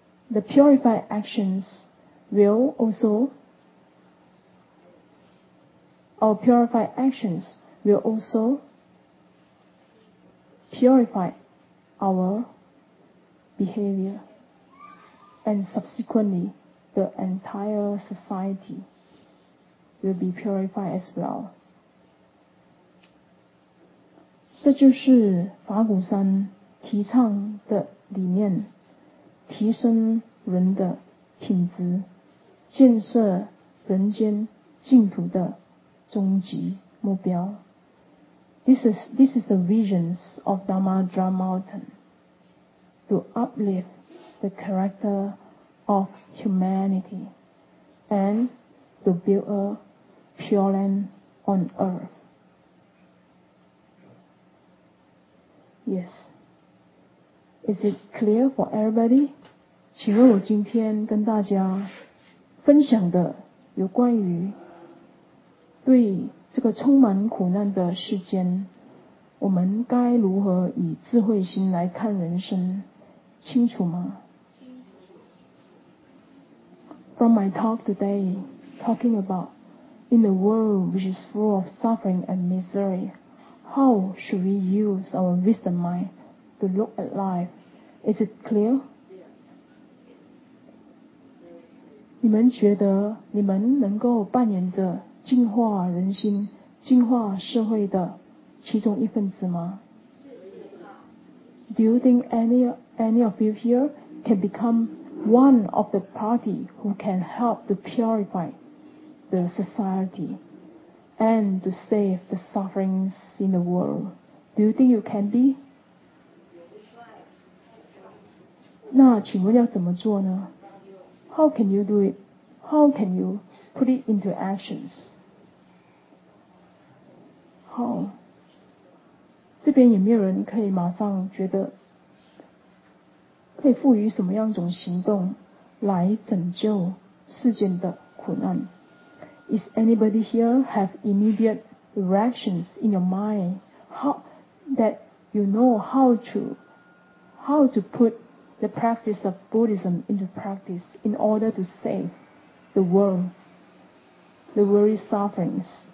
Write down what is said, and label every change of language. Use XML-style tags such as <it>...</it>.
<en>The purified actions will also, our purified actions will also purify our behavior. And subsequently, the entire society will be purified as well.</en> <zh>这就是法鼓山提倡的理念，提升人的品质，建设人间净土的终极目标。</zh> <en>This is the visions of Dharma Drum Mountain to uplift the character of humanity and to build a pure land on earth. Yes. Is it clear for everybody?</en> <zh>请问我今天跟大家分享的有关于对这个充满苦难的世间，我们该如何以智慧心来看人生，清楚吗？</zh> <en>From my talk today, talking about in a world which is full of suffering and misery, how should we use our wisdom mind to look at life? Is it clear?</en> <zh>你们觉得你们能够扮演着净化人心、净化社会的其中一份子吗？</zh> <en>Do you think any of you here can become one of the party who can help to purify the society and to save the sufferings in the world? Do you think you can be?</en> <zh>那请问要怎么做呢？</zh> <en>How can you do it? How can you put it into actions?</en> <zh>好，这边有没有人可以马上觉得可以赋予什么样一种行动来拯救世间的苦难？</zh> <en>Is anybody here have immediate reactions in your mind that you know how to put the practice of Buddhism into practice in order to save the world, the world's sufferingsHuh?</en>